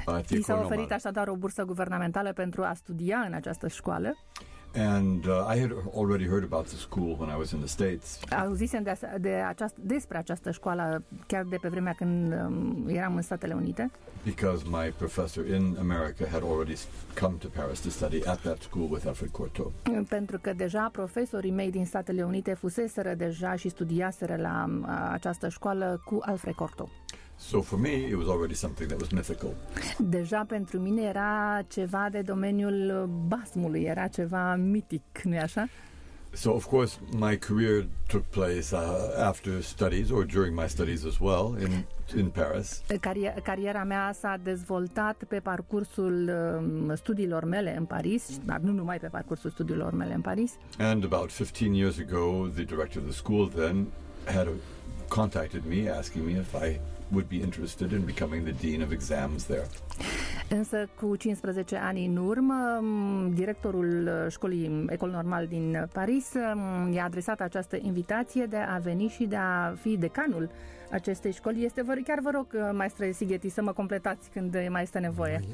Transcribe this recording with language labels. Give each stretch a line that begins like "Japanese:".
Romanian: I s-a oferit așadar o bursă guvernamentală pentru a studia în această școală.
English: And I had already heard about the school when I was in the States.
Romanian: Auzisem despre această școală chiar de pe vremea când eram în Statele Unite.
English: Because my professor in America had already come to Paris to study at that school with Alfred Cortot.
Romanian: Pentru că deja profesorii mei din Statele Unite fuseseră deja și studiaseră la această școală cu Alfred Cortot.
English: So for me it was already something that was mythical.
Romanian: Deja pentru mine era ceva de domeniul basmului, era ceva mitic, nu-i așa?
English: So of course my career took place after studies or during my studies as well in Paris.
Romanian: Cariera mea s-a dezvoltat pe parcursul studiilor mele în Paris, dar nu numai pe parcursul studiilor mele în Paris.
English: And about 15 years ago the director of the school then had contacted me asking me if I would be interested in becoming the dean of exams there.
Romanian: Însă cu 15 ani în urmă, directorul școlii Ecole Normale din Paris i-a adresat această invitație de a veni și de a fi decanul acestei școli. Vă rog, maestre Sighetti, să mă completați când mai este nevoie.